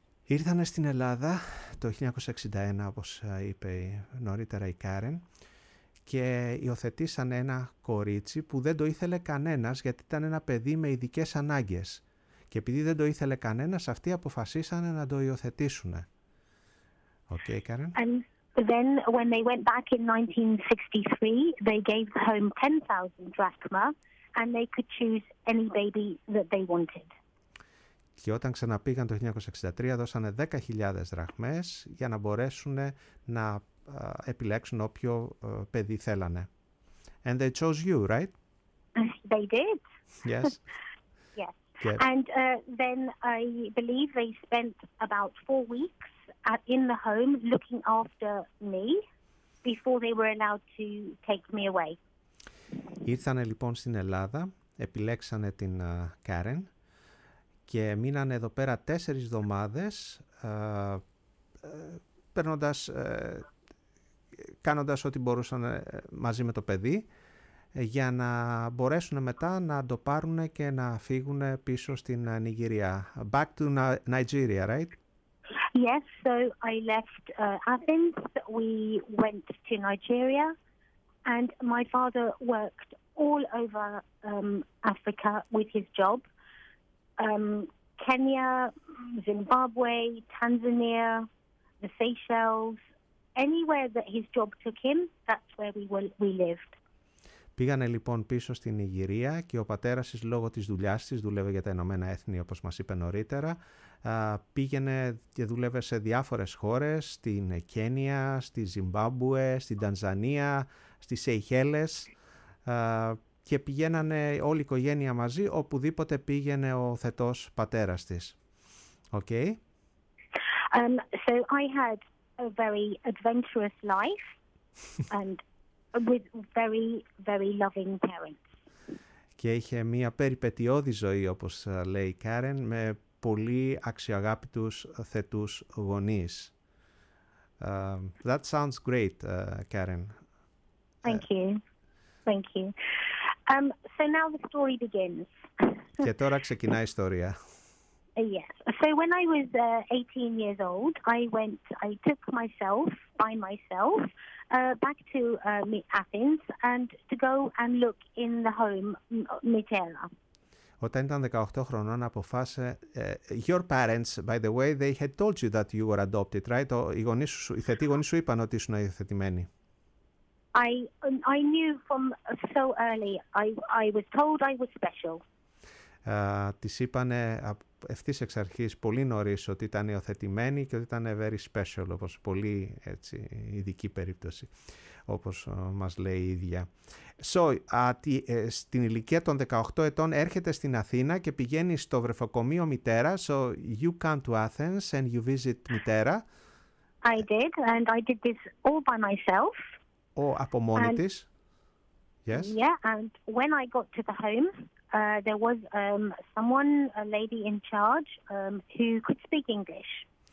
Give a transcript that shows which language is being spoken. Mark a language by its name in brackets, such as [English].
[Greek] Ήρθανε στην Ελλάδα το 1961, όπως είπε νωρίτερα η Κάρεν, και υιοθετήσανε ένα κορίτσι που δεν το ήθελε κανένας γιατί ήταν ένα παιδί με ειδικές ανάγκες. Και επειδή δεν το ήθελε κανένας, αυτοί αποφασίσανε να το υιοθετήσουν. [English] Okay, Karen. And then when they went back in 1963, they gave home 10,000 drachma and they could choose any baby that they wanted. [Greek] Και όταν ξαναπήγαν το 1963, δώσανε 10.000 δραχμές για να μπορέσουν να επιλέξουν όποιο παιδί θέλανε. [English] And they chose you, right? They did. Yes. Yes. Yeah. And then I believe they spent about 4 weeks in the home looking after me before they were allowed to take me away. [Greek] Ήρθανε λοιπόν στην Ελλάδα, επιλέξανε την Karen και μείνανε εδώ πέρα 4 εβδομάδες περνώντας, κάνοντας ό,τι μπορούσαν μαζί με το παιδί για να μπορέσουν μετά να το πάρουν και να φύγουν πίσω στην Νιγηρία. [English] Back to Nigeria, right? Yes, so I left Athens. We went to Nigeria and my father worked all over Africa with his job. Kenya, Zimbabwe, Tanzania, the Seychelles, anywhere that his job took him, that's where we lived. [Greek] Πήγανε λοιπόν πίσω στην Νιγηρία και ο πατέρας της, λόγω της δουλειάς της, δούλευε για τα Ηνωμένα Έθνη, όπως μας είπε νωρίτερα, πήγαινε και δούλευε σε διάφορες χώρες, στην Κένια, στη Ζιμπάμπουε, στην Τανζανία, στις Σεϊχέλες, και πηγαίνανε όλη η οικογένεια μαζί, οπουδήποτε πήγαινε ο θετός πατέρας της. [English] Okay. So I had a very adventurous life and with very, very loving parents. [Greek] Και είχε μια περιπετειώδη ζωή, όπως λέει η Karen, με πολύ αξιοαγάπητους θετούς γονείς. [English] That sounds great, Karen. Thank you. Thank you. So now the story begins. [Greek] Και τώρα ξεκινάει η ιστορία. [English] Yes. So when I was 18 years old, I took myself by myself back to Athens and to go and look in the home Mitella. [Greek] Όταν ήταν 18 χρονών, αποφάσισε. [English] Your parents, by the way, they had told you that you were adopted, right? [Greek] Οι θετοί γονείς σου είπαν ότι ήσουν υιοθετημένη. [English] I knew from so early. I was told I was special. [Greek] Της είπανε ευθύς εξ αρχής πολύ νωρίς ότι ήταν υιοθετημένη και ότι ήταν [English] very special, [Greek] όπως πολύ έτσι, ειδική περίπτωση, όπως μας λέει η ίδια. So, στην ηλικία των 18 ετών έρχεται στην Αθήνα και πηγαίνει στο βρεφοκομείο Μητέρα. [English] So, you come to Athens and you visit Μητέρα. I did, and I did this all by myself. [Greek] Από μόνη της. Yes. [English] Yeah, and when I got to the home, there was someone, a lady in charge, who could speak English.